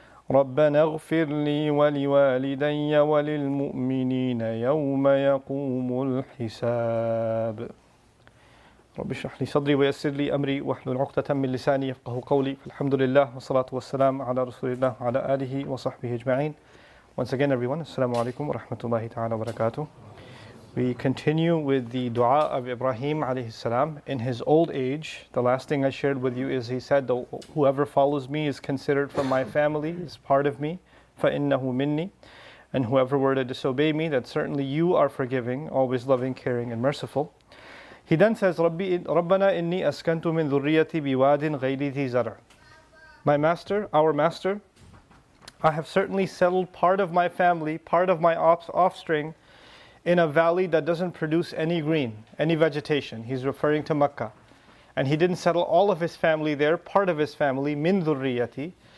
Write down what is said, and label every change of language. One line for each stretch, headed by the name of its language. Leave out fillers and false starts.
Arabic: ربنا اغفر لي ولوالدي وللمؤمنين يوم يقوم الحساب رب اشرح لي صدري ويسر لي امري واحلل عقدة من لساني يفقهوا قولي الحمد لله والصلاة والسلام على رسول الله وعلى آله وصحبه اجمعين.
English: Once again everyone,
Arabic: assalamu alaikum wa rahmatullahi ta'ala wa barakatuh.
English: We continue with the dua of Ibrahim alayhi salam in his old age. The last thing I shared with you is he said, whoever follows me is considered from my family, is part of me,
Arabic: فَإِنَّهُ مِنِّي.
English: And whoever were to disobey me, that certainly you are forgiving, always loving, caring, and merciful. He then says,
Arabic: رَبَّنَا إِنِّي أَسْكَنْتُ مِنْ ذُرِّيَّةِ بِوَادٍ غَيْرِ ذِي زَرْعٍ.
English: My master, our master, I have certainly settled part of my family, part of my offspring, in a valley that doesn't produce any green, any vegetation. He's referring to Mecca. And he didn't settle all of his family there, part of his family,
Arabic: min dhurriyati.